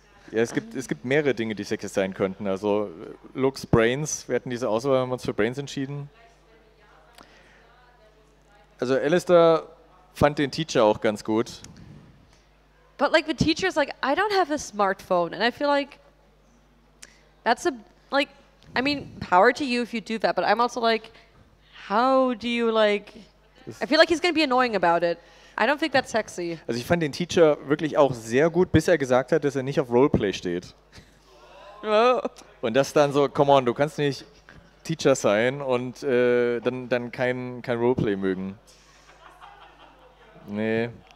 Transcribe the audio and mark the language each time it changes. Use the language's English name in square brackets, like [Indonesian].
[German] Ja, es gibt mehrere Dinge, die sexy sein könnten. Also Looks, Brains. Wir hatten diese Auswahl, haben uns für Brains entschieden. Also Alistair fand den Teacher auch ganz gut. [English] But like the teacher is like, I don't have a smartphone. And I feel like that's a, like, I mean, power to you if you do that. But I'm also like, how do you like, I feel like he's going to be annoying about it. I don't think that's sexy. [German] Also ich fand den Teacher wirklich auch sehr gut, bis er gesagt hat, dass er nicht auf Roleplay steht. Oh. Und das dann so, [English] come on, [German] du kannst nicht Teacher sein und dann kein Roleplay mögen. Nee.